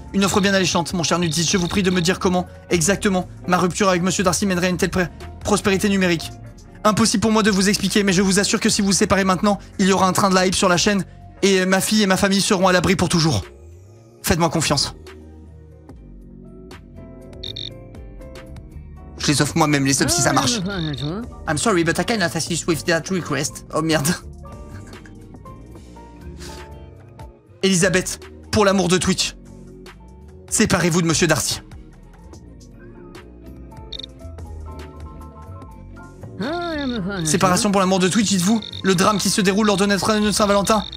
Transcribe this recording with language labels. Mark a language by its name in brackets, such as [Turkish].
[French] Une offre bien alléchante, mon cher Nudis. Je vous prie de me dire comment, exactement, ma rupture avec Monsieur Darcy mènerait à une telle prospérité numérique. Impossible pour moi de vous expliquer, mais je vous assure que si vous vous séparez maintenant, il y aura un train de la hype sur la chaîne, et ma fille et ma famille seront à l'abri pour toujours. Faites-moi confiance. Je les offre moi-même, les subs, si ça marche. [English] I'm sorry, but I cannot assist with that request. [French] Oh merde. Elisabeth, pour l'amour de Twitch, séparez-vous de Monsieur Darcy. Séparation pour l'amour de Twitch, dites-vous. Le drame qui se déroule lors de notre année de Saint-Valentin.